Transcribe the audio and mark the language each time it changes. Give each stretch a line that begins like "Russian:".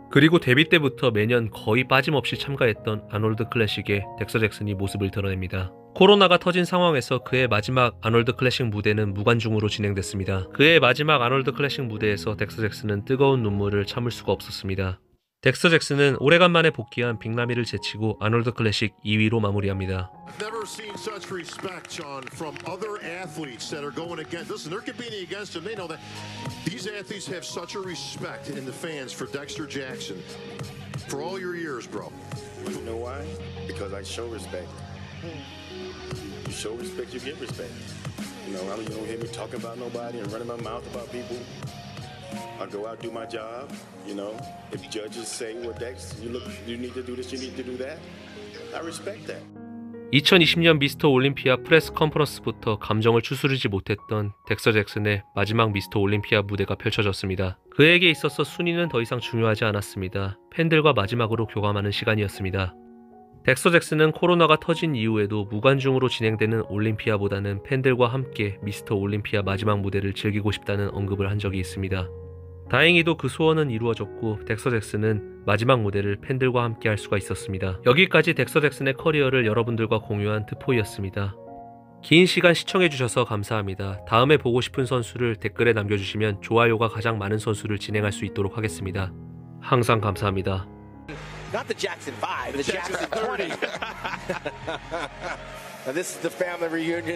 Korean: 그리고 데뷔 때부터 매년 거의 빠짐없이 참가했던 아놀드 클래식에 덱스 잭슨이 모습을 드러냅니다. 코로나가 터진 상황에서 그의 마지막 아놀드 클래식 무대는 무관중으로 진행됐습니다. 그의 마지막 아놀드 클래식 무대에서 덱스 잭슨은 뜨거운 눈물을 참을 수가 없었습니다. 덱스 잭슨은 오래간만에 복귀한 빅라미를 제치고 아놀드 클래식 2위로 마무리합니다.
English: I've never seen such respect, John, from other athletes that are going against. Listen, there could be any against them. They know that these athletes have such a respect in the fans for Dexter Jackson for all your years, bro. You know why? Because I show respect. You show respect, you get respect. You know, you don't hear me talking about nobody and running my mouth about people. I go out, do my job, you know. If judges say, well, Dex, you need to do this, you need to do that. I respect that.
Korean: 2020년 미스터 올림피아 프레스 컨퍼런스부터 감정을 추스르지 못했던 덱스 잭슨의 마지막 미스터 올림피아 무대가 펼쳐졌습니다. 그에게 있어서 순위는 더 이상 중요하지 않았습니다. 팬들과 마지막으로 교감하는 시간이었습니다. 덱스 잭슨은 코로나가 터진 이후에도 무관중으로 진행되는 올림피아보다는 팬들과 함께 미스터 올림피아 마지막 무대를 즐기고 싶다는 언급을 한 적이 있습니다. 다행히도 그 소원은 이루어졌고 덱스 잭슨은 마지막 무대를 팬들과 함께 할 수가 있었습니다. 여기까지 덱스 잭슨의 커리어를 여러분들과 공유한 트포이였습니다. 긴 시간 시청해주셔서 감사합니다. 다음에 보고 싶은 선수를 댓글에 남겨주시면 좋아요가 가장 많은 선수를 진행할 수 있도록 하겠습니다. 항상 감사합니다.
English: Not the Jackson 5, the Jackson 20. This is the family reunion.